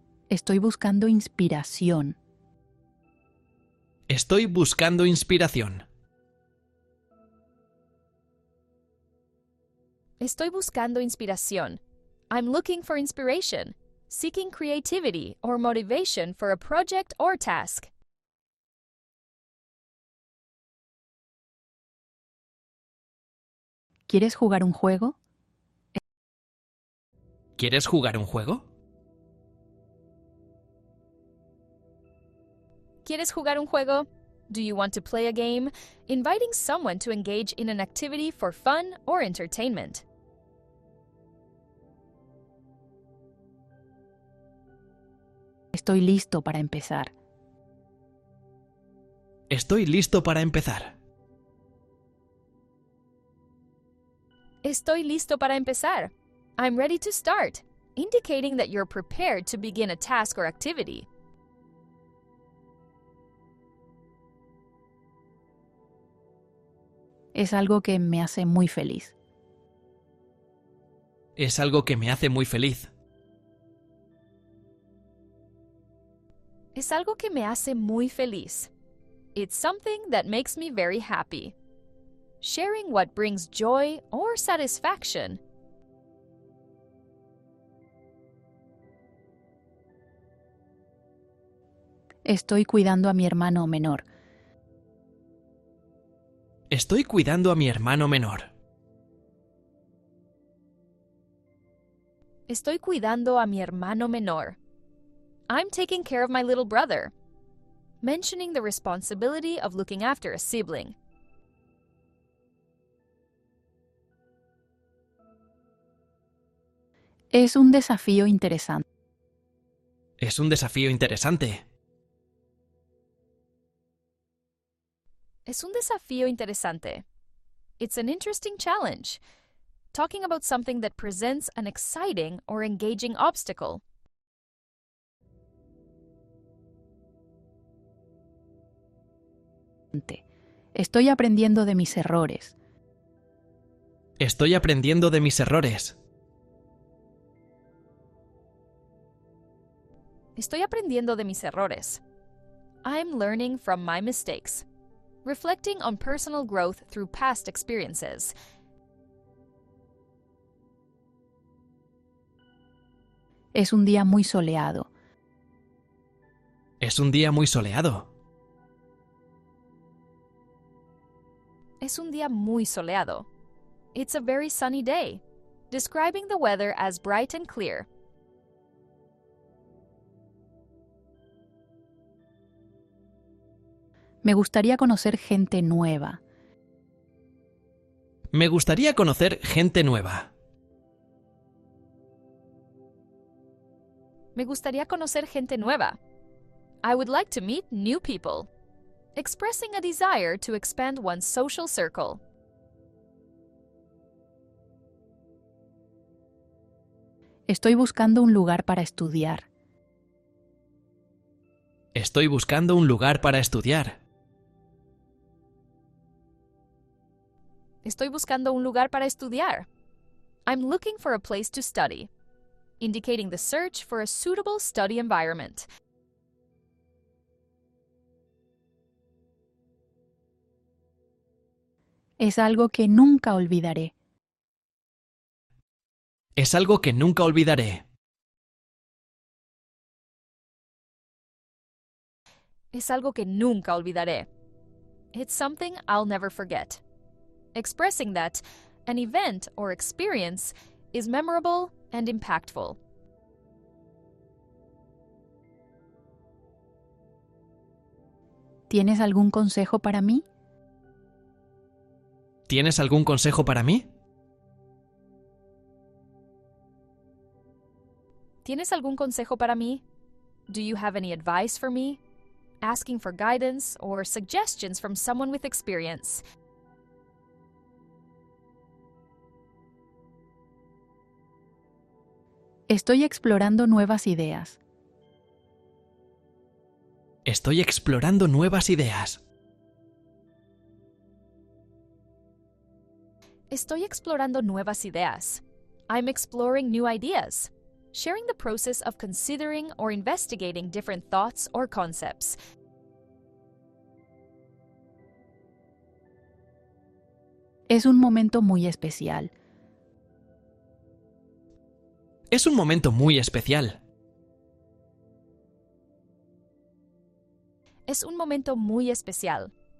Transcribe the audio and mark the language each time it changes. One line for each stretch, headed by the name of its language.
Spanish: Estoy buscando inspiración. Estoy buscando inspiración. Estoy buscando inspiración.
English: I'm looking for inspiration. Seeking creativity or motivation for a project or task.
Spanish: ¿Quieres jugar un juego? ¿Quieres jugar un juego? ¿Quieres jugar un juego?
English: Do you want to play a game? Inviting someone to engage in an activity for fun or entertainment.
Spanish: Estoy listo para empezar. Estoy listo para empezar. Estoy listo para empezar.
English: I'm ready to start, indicating that you're prepared to begin a task or activity.
Spanish: Es algo que me hace muy feliz. Es algo que me hace muy feliz. Es algo que me hace muy feliz.
English: It's something that makes me very happy. Sharing what brings joy or satisfaction.
Spanish: Estoy cuidando a mi hermano menor. Estoy cuidando a mi hermano menor. Estoy cuidando a mi hermano menor.
English: I'm taking care of my little brother. Mentioning the responsibility of looking after a sibling.
Spanish: Es un desafío interesante. Es un desafío interesante. Es un desafío interesante.
English: It's an interesting challenge. Talking about something that presents an exciting or engaging obstacle.
Spanish: Estoy aprendiendo de mis errores. Estoy aprendiendo de mis errores. Estoy aprendiendo de mis errores.
English: I'm learning from my mistakes. Reflecting on personal growth through past experiences.
Spanish: Es un día muy soleado. Es un día muy soleado. Es un día muy soleado.
English: It's a very sunny day. Describing the weather as bright and clear.
Spanish: Me gustaría conocer gente nueva. Me gustaría conocer gente nueva. Me gustaría conocer gente nueva.
English: I would like to meet new people. Expressing a desire to expand one's social circle.
Spanish: Estoy buscando un lugar para estudiar. Estoy buscando un lugar para estudiar. Estoy buscando un lugar para estudiar.
English: I'm looking for a place to study. Indicating the search for a suitable study environment. He
Spanish: es algo que nunca olvidaré. Es algo que nunca olvidaré. Es algo que nunca olvidaré.
English: It's something I'll never forget. Expressing that an event or experience is memorable and impactful.
Spanish: ¿Tienes algún consejo para mí? ¿Tienes algún consejo para mí? ¿Tienes algún consejo para mí?
English: Do you have any advice for me? Asking for guidance or suggestions from someone with experience.
Spanish: Estoy explorando nuevas ideas. Estoy explorando nuevas ideas. Estoy explorando nuevas ideas.
English: I'm exploring new ideas. Sharing the process of considering or investigating different thoughts or concepts.
Spanish: Es un momento muy especial. Es un momento muy especial. Es un momento muy especial.